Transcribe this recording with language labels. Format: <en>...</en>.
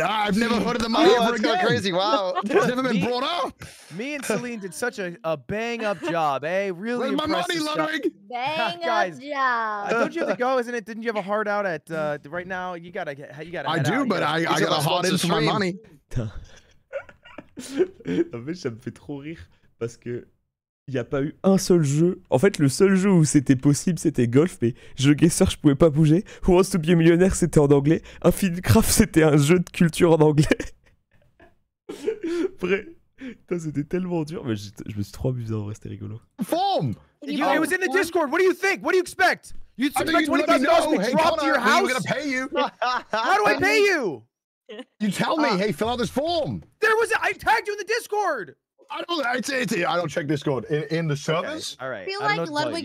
<en>I've never heard of the money ever again. Crazy. Wow. It's never been brought up. Me and Celine did such a bang up job, eh? Really. Where's my money, stuff. Ludwig? Bang guys, up job. Don't you have to go, isn't it? Didn't you have a hard out at right now? You gotta I do, out, but you know? I got a hard in for my money.</en> <fr>En fait, ça me fait trop rire parce que. Il n'y a pas eu un seul jeu. En fait, le seul jeu où c'était possible, c'était golf, mais jeu guesser, je pouvais pas bouger. Who Wants to Be a Millionaire, c'était en anglais. Infinite Craft, c'était un jeu de culture en anglais. Bref. Putain, c'était tellement dur, mais je me suis trop abusé, en vrai, c'était rigolo.</fr> <en>Form! It was in the Discord. What do you think? What do you expect? You expect $20,000 to be dropped to your house? We're gonna pay you. How do I pay you? You tell me, hey, fill out this form. I tagged you in the Discord. I don't check Discord in the service. Okay. All right. I feel like Ludwig</en>